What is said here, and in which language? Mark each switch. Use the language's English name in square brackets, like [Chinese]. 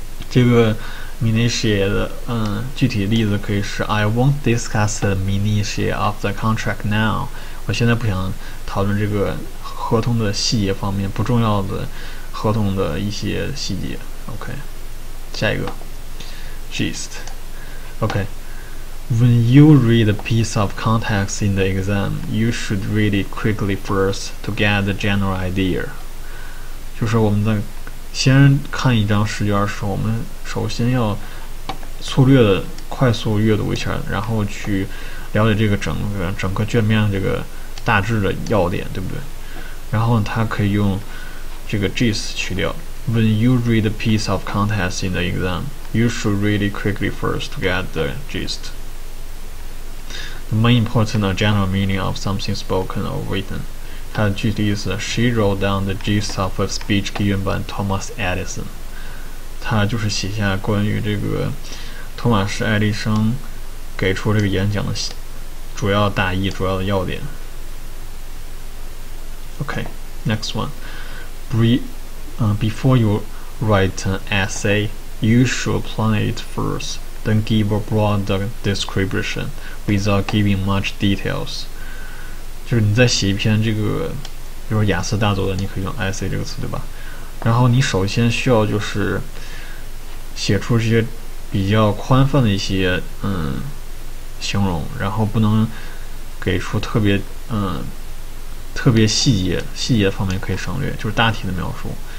[Chinese] 这个 minutia 的具体例子可以是 [English] I won't discuss the minutia of the contract now， [Chinese] 我现在不想讨论这个合同的细节方面，不重要的合同的一些细节。 OK， 下一个 gist。 [English] OKWhen you read a piece of context in the exam, you should read it quickly first to get the general idea. [Chinese] 就是我们在先看一张试卷的时候，我们首先要粗略的快速阅读一下，然后去了解这个整个卷面这个大致的要点，对不对？然后它可以用这个 gist 去掉。 [English] When you read a piece of context in the exam, you should read it quickly first to get the gist. The main important or general meaning of something spoken or written. [Chinese] 它的具体意思 [English] She wrote down the gist of a speech given by Thomas Edison. [Chinese] 它就是写下关于这个托马斯·爱迪生给出这个演讲的主要大意、主要的要点。 [English] Okay, next one. Before you write an essay, you should plan it firstThen give a broad description without giving much details. [Chinese] 就是你在写一篇这个，比如说雅思大作文，你可以用 essay 这个词，对吧？然后你首先需要就是写出这些比较宽泛的一些形容，然后不能给出特别细节方面可以省略，就是大体的描述。